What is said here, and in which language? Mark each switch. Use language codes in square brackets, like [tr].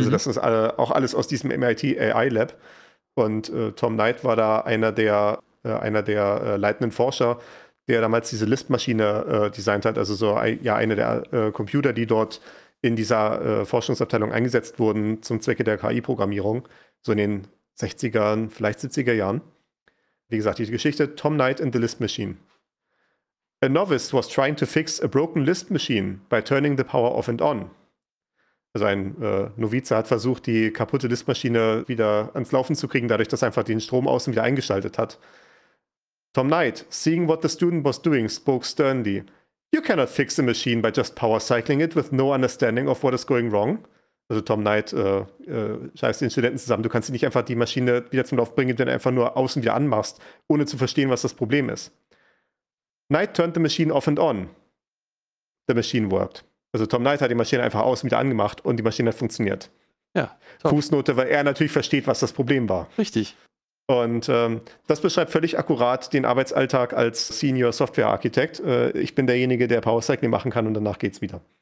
[de] Also das ist auch alles aus diesem MIT AI Lab. Und Tom Knight war da einer der leitenden Forscher, der damals diese Lisp-Maschine designt hat, also so eine der Computer, die dort in dieser Forschungsabteilung eingesetzt wurden zum Zwecke der KI-Programmierung, so in den 60ern, vielleicht 70er Jahren. Wie gesagt, die Geschichte [en] Tom Knight and the Lisp Machine. A novice was trying to fix a broken Lisp machine by turning the power off and on. [de] Also ein Novize hat versucht, die kaputte Lisp-Maschine wieder ans Laufen zu kriegen, dadurch, dass er einfach den Strom außen wieder eingeschaltet hat. [en] Tom Knight, seeing what the student was doing, spoke sternly. You cannot fix a machine by just power cycling it with no understanding of what is going wrong. [de] Also Tom Knight scheißt den Studenten zusammen. Du kannst nicht einfach die Maschine wieder zum Lauf bringen, wenn du einfach nur außen wieder anmachst, ohne zu verstehen, was das Problem ist. [en] Knight turned the machine off and on. The machine worked. [de] Also Tom Knight hat die Maschine einfach außen wieder angemacht und die Maschine hat funktioniert. Ja. Top. Fußnote, weil er natürlich versteht, was das Problem war. Richtig. Und das beschreibt völlig akkurat den Arbeitsalltag als Senior Software Architect. Ich bin derjenige, der Power Cycling machen kann, und danach geht's wieder.